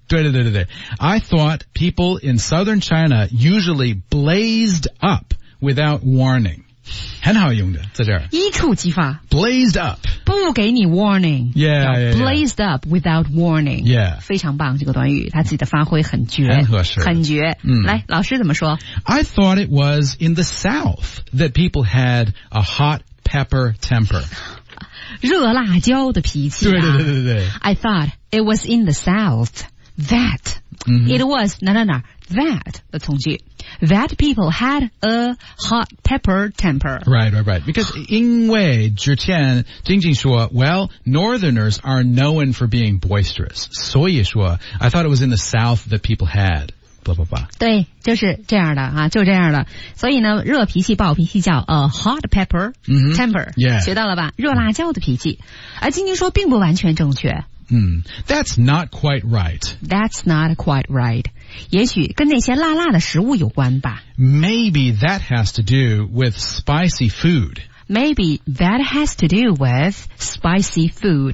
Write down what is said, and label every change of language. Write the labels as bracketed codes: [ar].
[zh] 对对对对对。 [en] I thought people in southern China usually blazed up without warning. [zh] 很好用的在这儿。一触即发。 [en] Blazed up. [zh] 不给你 warning. [en] Yeah, yeah, yeah. Blazed up without warning. Yeah. [zh] 非常棒这个短语他自己的发挥很绝。很合适。很绝。嗯、来老师怎么说 [en] I thought it was in the south that people had a hot pepper temper. [zh] 热辣椒的脾气、啊。对对对对对。 [en] I thought it was in the south that.、 Mm-hmm. It was, 哪哪哪。 That [zh] 的从句 [en] that people had a hot pepper temper. Right, right, right. Because [zh] 因为之前静静说 [en] well, northerners are known for being boisterous. [zh] 所以说 [en] I thought it was in the south that people had blah, blah, blah. [zh] 对就是这样的啊就这样的。所以呢热脾气暴脾气叫 [en] a hot pepper temper.、 Mm-hmm. Yeah. [zh] 学到了吧热辣椒的脾气。而静静说并不完全正确。 [en] That's not quite right. That's not quite right. [zh] 也许跟那些辣辣的食物有关吧。 [en] Maybe that has to do with spicy food. Maybe that has to do with spicy food.、